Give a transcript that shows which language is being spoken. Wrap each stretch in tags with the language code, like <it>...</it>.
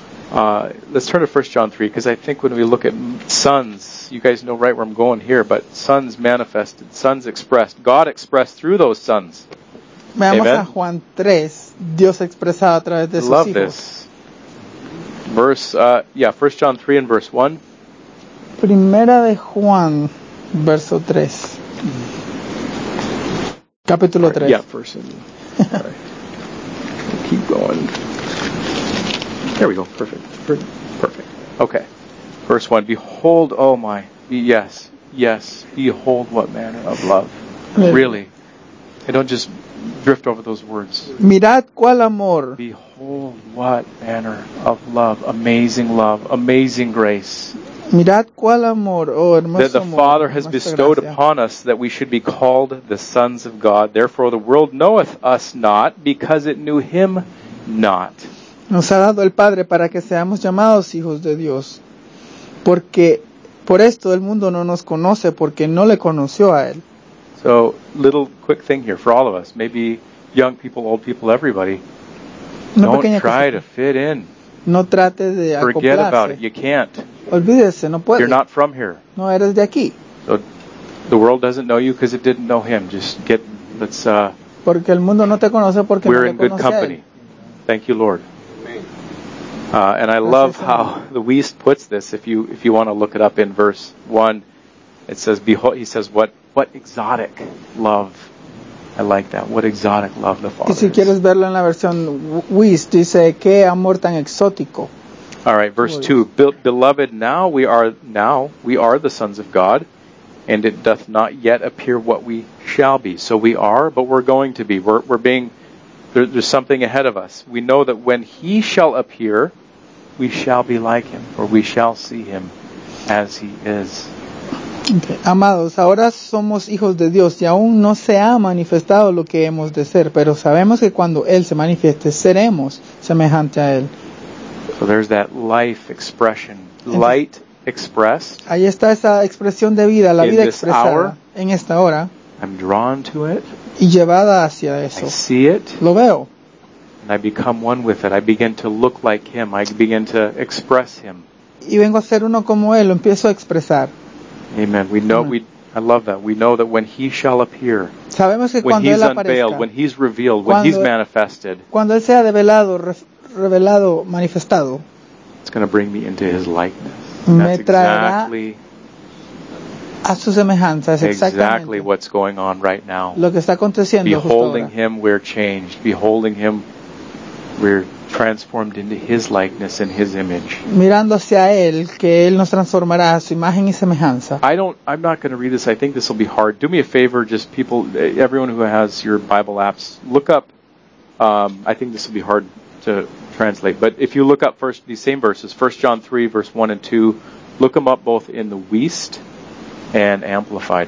<en>Let's turn to 1 John 3, because I think when we look at sons, you guys know right where I'm going here, but sons manifested, sons expressed, God expressed through those sons.</en> <es>Veamos a Juan 3, Dios expresado a través de sus hijos.</es> <en>Love this. Verse, 1 John 3 and verse 1.</en> <es>Primera de Juan, verso 3. Capítulo 3.</es> <en>Yeah, verse. Right. Keep going. There we go. Perfect. Okay. Verse 1. Behold, oh my. Yes. Behold what manner of love. Really. I don't just drift over those words.</en> <es>Mirad cuál amor.</es> <en>Behold what manner of love, amazing grace.</en> <es>Mirad cuál amor, oh hermoso</es> <en>that the Father</en> <es>amor,</es> <en>has bestowed</en> <es>gracia.</es> <en>Upon us that we should be called the sons of God. Therefore the world knoweth us not because it knew Him not.</en> <es>Nos ha dado el Padre para que seamos llamados hijos de Dios. Porque por esto el mundo no nos conoce porque no le conoció a Él.</es> <en>So, little quick thing here for all of us. Maybe young people, old people, everybody.</en> <es>Una</es> <en>don't try</en> <es>cosita.</es> <en>To fit in.</en> <es>No trate de</es> <en>forget</en> <es>acoplarse.</es> <en>About it. You can't.</en> <es>Olvídese, no puede.</es> <en>You're not from here.</en> <es>No eres de aquí.</es> <en>So, the world doesn't know you because it didn't know Him. Just get, let's...</en> <es>Porque el mundo no te conoce porque</es> <en>we're</en> <es>no le</es> <en>in good company. Thank you, Lord. And I love how the Weist puts this. If you want to look it up in verse 1, it says, "Behold," he says, what exotic love. I like that. What exotic love the Father is.</en> <es>Y si quieres verlo en la versión Weist, dice, qué amor tan exótico.</es> <en>All right, verse 2. Beloved, now we are the sons of God, and it doth not yet appear what we shall be. So we are, but we're going to be. We're being... There's something ahead of us. We know that when He shall appear, we shall be like Him, or we shall see Him as He is. Okay.</en> <es>Amados, ahora somos hijos de Dios, y aún no se ha manifestado lo que hemos de ser, pero sabemos que cuando Él se manifieste, seremos semejante a Él.</es> <en>So there's that life expression. Light expressed.</en> <es>Ahí está esa expresión de vida, la vida expresada</es> <en>hour,</en> <es>en esta hora.</es> <en>I'm drawn to it.</en> <es>Y llevada hacia eso.</es> <en>I see it.</en> <es>Lo veo.</es> <en>And I become one with it. I begin to look like him. I begin to express him.</en> <es>Y vengo a ser uno como él. Lo empiezo a expresar.</es> <en>Amen. We know. Amen. I love that. We know that when he shall appear,</en> <es>sabemos que</es> <en>when</en> <es>cuando</es> <en>he's</en> <es>él</es> <en>unveiled,</en> <es>aparezca,</es> <en>when he's revealed,</en> <es>cuando,</es> <en>when he's manifested,</en> <es>cuando él sea develado, revelado, manifestado,</es> <en>it's going to bring me into his likeness.</en> <es>Me traerá</es> <en>exactly</en> <es>a su semejanza. Es</es> <en>exactly what's going on right now.</en> <es>Lo que está aconteciendo justo ahora.</es> <en>Beholding him, we're changed. Beholding him, we're transformed into his likeness and his image.</en> <es>Mirando hacia él, que él nos transformará a su imagen y semejanza.</es> <en>I'm not going to read this. I think this will be hard. Do me a favor, just people, everyone who has your Bible apps, look up. I think this will be hard to translate. But if you look up first these same verses, 1 John 3, verse 1 and 2, look them up both in the Wiest and Amplified.</en>